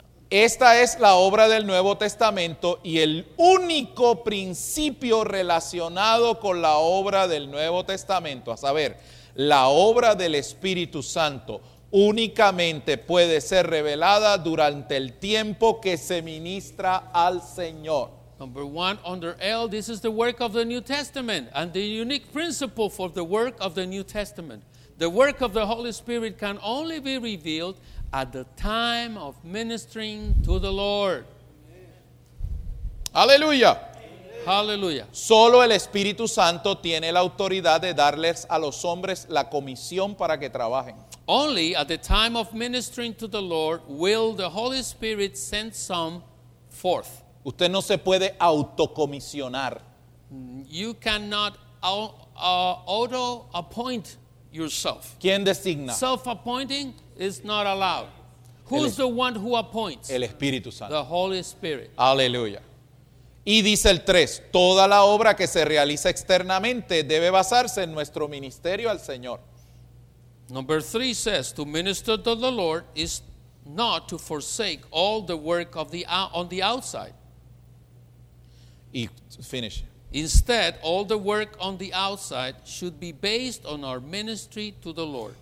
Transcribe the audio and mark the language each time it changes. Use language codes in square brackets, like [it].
[es] Esta es la obra del Nuevo Testamento y el único principio relacionado con la obra del Nuevo Testamento, a saber, la obra del Espíritu Santo únicamente puede ser revelada durante el tiempo que se ministra al Señor. [en] Number one, under L, this is the work of the New Testament and the unique principle for the work of the New Testament. The work of the Holy Spirit can only be revealed at the time of ministering to the Lord. [es] Aleluya. [en] Hallelujah. [es] Solo el Espíritu Santo tiene la autoridad de darles a los hombres la comisión para que trabajen. [en] Only at the time of ministering to the Lord will the Holy Spirit send some forth. [es] Usted no se puede autocomisionar. [en] You cannot auto-appoint yourself. [es] ¿Quién designa? [en] Self-appointing is not allowed. Who's the one who appoints? [es] El Espíritu Santo. [en] The Holy Spirit. [es] Aleluya. Y dice el 3, toda la obra que se realiza externamente debe basarse en nuestro ministerio al Señor. [en] Number 3 says, to minister to the Lord is not to forsake all the work of the on the outside. Y finish. Instead, all the work on the outside should be based on our ministry to the Lord.